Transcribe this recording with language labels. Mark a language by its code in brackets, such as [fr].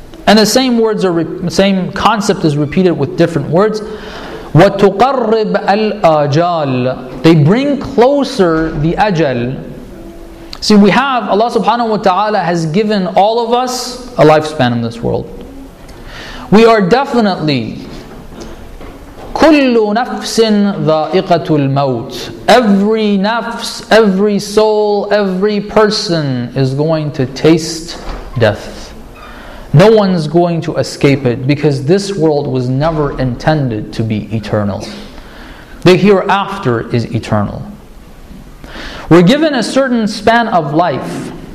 [en] And the same words are same concept is repeated with different words. [ar] وتقرب الأجال. [en] They bring closer the ajal. See, we have, Allah subhanahu wa ta'ala has given all of us a lifespan in this world. We are definitely, [ar] كُلُّ نَفْسٍ ذَائِقَةُ الْمَوْتِ. [en] Every nafs, every soul, every person is going to taste death. No one's going to escape it because this world was never intended to be eternal. The hereafter is eternal. We're given a certain span of life.